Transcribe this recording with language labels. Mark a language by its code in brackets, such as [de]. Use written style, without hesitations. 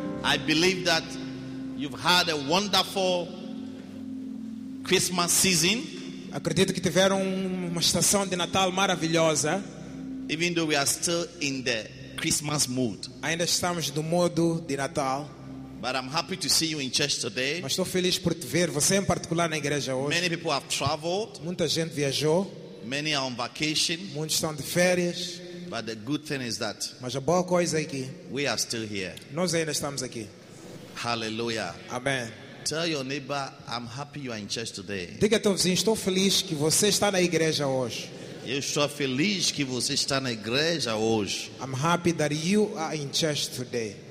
[en] I believe that you've had a wonderful Christmas season. [pt] Acredito que tiveram uma estação de Natal maravilhosa. [en] Even though we are still in the Christmas mood. [pt] Ainda estamos no modo de Natal. [en] But I'm happy to see you in church today. [pt] Mas estou feliz por te ver, você em particular na igreja hoje. [en] Many people have traveled. [pt] Muita gente viajou. [en] Many are on vacation. [pt] Muitos estão de férias. [en] But the good thing is that, [pt] mas a boa coisa é que, [en] we are still here. [pt] Nós ainda estamos aqui. [en] Hallelujah. Amen. Tell your neighbor, I'm happy you are in church today. [pt] Diga ao teu vizinho, estou feliz que você está na igreja hoje. Eu estou feliz que você está na igreja hoje. [en] I'm happy that you are in church today.